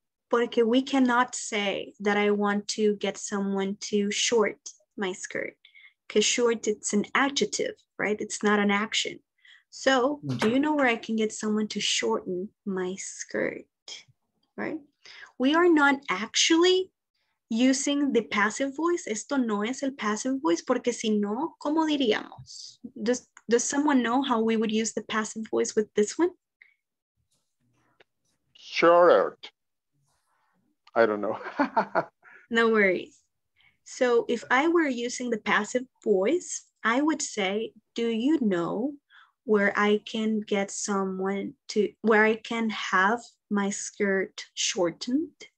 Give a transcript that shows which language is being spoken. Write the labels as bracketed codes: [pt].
[en] Porque we cannot say that I want to get someone to short my skirt. Because short, it's an adjective, right? It's not an action. So do you know where I can get someone to shorten my skirt, right? We are not actually using the passive voice. [es] Esto no es el passive voice, porque si no, ¿cómo diríamos? [en] Does someone know how we would use the passive voice with this one? Short. I don't know. No worries. So if I were using the passive voice, I would say, do you know where I can get someone to, where I can have my skirt shortened?